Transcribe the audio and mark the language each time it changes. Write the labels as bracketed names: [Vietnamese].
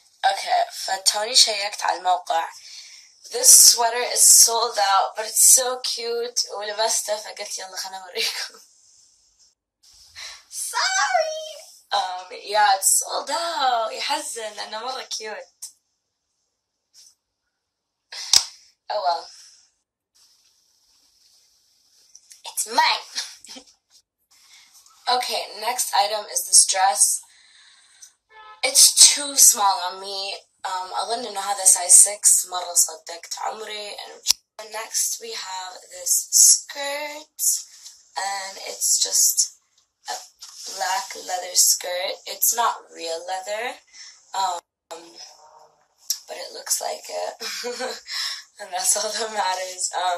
[Arabic] Okay, فتوني شيكت على الموقع. [English] This sweater is sold out, but it's so cute. [Arabic] ولبسته فقلت يلا خلنا أوريكم. [English] Sorry. Yeah, it's sold out. [Arabic] يحزن لأنه مرة [English] cute. Oh well. It's mine. Okay, next item is this dress. It's too small on me. [Arabic] أظن إنه هذا size 6، مرة صدقت عمري. [English] Next we have this skirt, and it's just a black leather skirt. It's not real leather, but it looks like it, and that's all that matters.